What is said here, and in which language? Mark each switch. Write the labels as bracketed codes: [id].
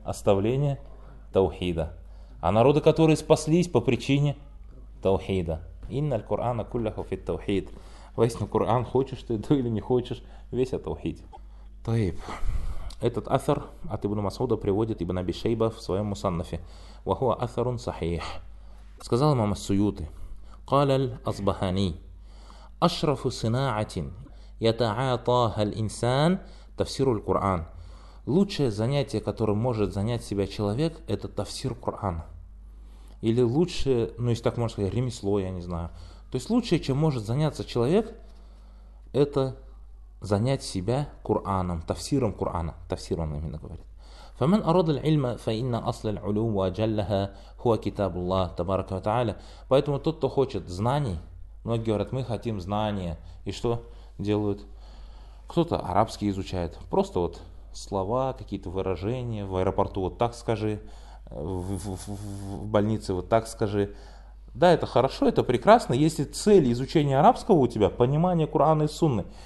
[ru] Оставление таухида. А народы, которые спаслись по причине таухида. [ar] «Инна аль-Кур'ана куллаху фит таухид». [ru] Воистину, Кур'ан, хочешь ты это или не хочешь, весь о таухиде. Таиб. Этот афер от Ибн Масуда приводит Ибн Аби Шейба в своем Мусаннафе. [ar] «Вахуа аферун сахих». [ru] Сказал имам Ас-Суюти. [ar] قال الأصبهاني أشرف صناعة يتعاطاها الإنسان تفسير القرآن. [ru] Лучшее занятие, которым может занять себя человек, это тафсир Корана. Или лучшее, ну если так можно сказать, ремесло, я не знаю. То есть лучшее, чем может заняться человек, это занять себя Кораном, тафсиром Корана. Тафсир он именно говорит. [ar] فمن أراد العلم فإن أصل العلوم وجلها هو كتاب الله تبارك وتعالى. [ru] Поэтому тот, кто хочет знаний, многие говорят, мы хотим знания, и что делают? Кто-то арабский изучает, просто вот слова, какие-то выражения в аэропорту, вот так скажи, в больнице, вот так скажи. Да, это хорошо, это прекрасно, если цель изучения арабского у тебя, понимание Корана и Сунны.